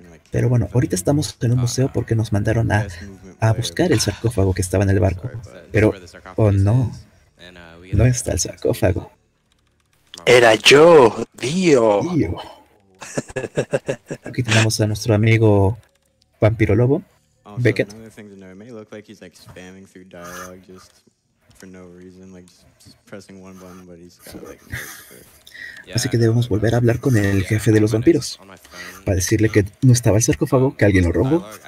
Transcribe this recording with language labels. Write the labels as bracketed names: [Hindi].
[Spanish] Pero bueno, ahorita estamos en un museo porque nos mandaron a buscar el sarcófago que estaba en el barco. Pero, oh no, no está el sarcófago. Era yo, Dio. Aquí tenemos a nuestro amigo Vampiro Lobo, [English] Also, Beckett. another thing to note, it may look like he's like spamming through dialogue just for no reason, like just pressing one button, but he's got like notes for. [Spanish] Así que debemos volver a hablar con el jefe de los vampiros para decirle que no estaba el sarcófago, que alguien lo robó.